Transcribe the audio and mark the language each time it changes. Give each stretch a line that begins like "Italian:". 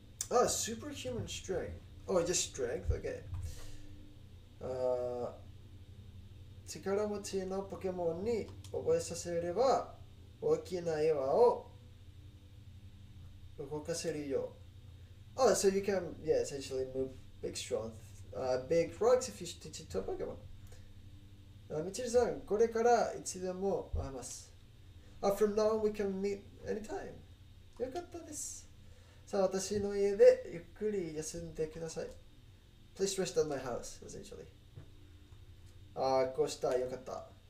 English: あ、スーパーヒューマンストレングス。お、just strength? OK。
Japanese: 力持ちのポケモンに覚えさせれば、大きな岩を動かせるよ。
English: Oh, so you can, yeah, essentially move big strong, big rocks if you teach it to a Pokemon.
Japanese: みちるさん、これからいつでも会えます。
English: From now on, we can meet anytime.
Japanese: よかったです。さあ、私の家でゆっくり休んでください。
English: Please rest at my house, essentially.
Japanese: こうした、よかった。